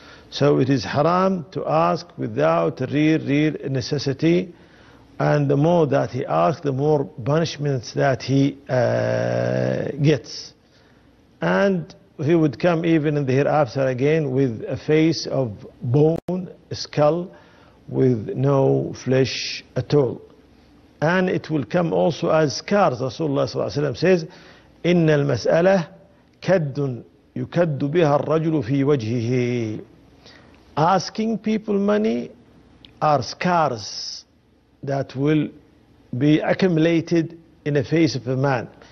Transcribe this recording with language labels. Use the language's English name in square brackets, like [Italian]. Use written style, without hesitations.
[English] So it is haram to ask without real necessity, and the more that he asks, the more punishments that he gets, and he would come even in the hereafter again with a face of bone, a skull with no flesh at all. And it will come also as scars. [Arabic] Rasulullah صلى الله عليه وسلم says, إن المسألة كد يكد بها الرجل في وجهه. [English] Asking people money are scars that will be accumulated in the face of a man.